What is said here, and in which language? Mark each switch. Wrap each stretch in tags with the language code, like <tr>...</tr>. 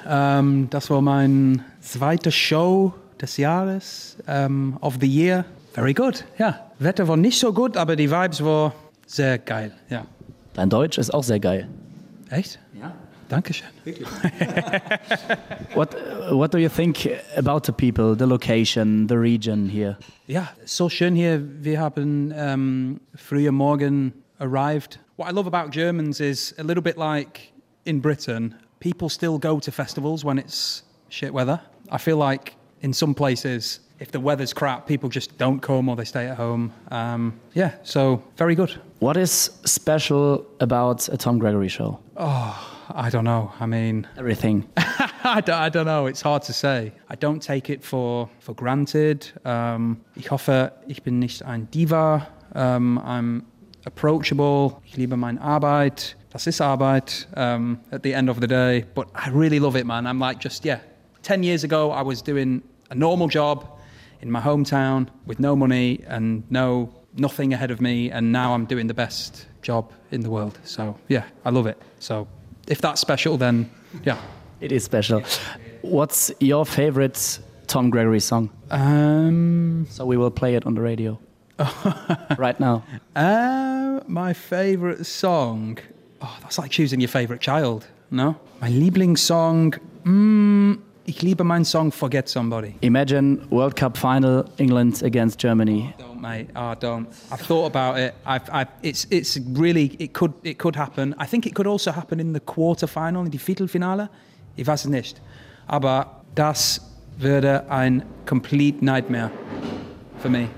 <de>Das war mein zweiter Show des Jahres,</de> <en>of the year.</en> <de>Very good. Ja, Wetter war nicht so gut, aber die Vibes war sehr geil. Ja. Dein Deutsch ist auch sehr geil. Echt? Ja. Dankeschön. Wirklich.</de> <en>What do you think about the people, the location, the region here?</en> <de>Ja, so schön hier. Wir haben früher morgen</de> <en>arrived. What I love about Germans is a little bit like in Britain. People still go to festivals when it's shit weather. I feel like in some places, if the weather's crap, people just don't come or they stay at home. Yeah, so very good. What is special about a Tom Gregory show? Oh, I don't know. I mean... Everything. I don't know. It's hard to say. I don't take it for granted.</en> <de>Ich hoffe, ich bin nicht ein Diva.</de> <en>I'm approachable.</en> <de>Ich liebe meine Arbeit. Das ist Arbeit</de> <en>at the end of the day. But I really love it, man. I'm like just, yeah. 10 years ago, I was doing a normal job in my hometown with no money and nothing ahead of me. And now I'm doing the best job in the world. So, yeah, I love it. So if that's special, then, yeah. It is special. What's your favorite Tom Gregory song? So we will play it on the radio right now. My favorite song... Oh, that's like choosing your favorite child, no?</en> <de>Mein Lieblingssong, ich liebe mein Song Forget Somebody.</de> <en>Imagine World Cup final, England against Germany. Oh, don't, mate. I've thought about it. It could happen. I think it could also happen in the quarterfinal,</en> <de>in die Viertelfinale. Ich weiß nicht. Aber das würde ein</de> <en>complete nightmare for me.</en>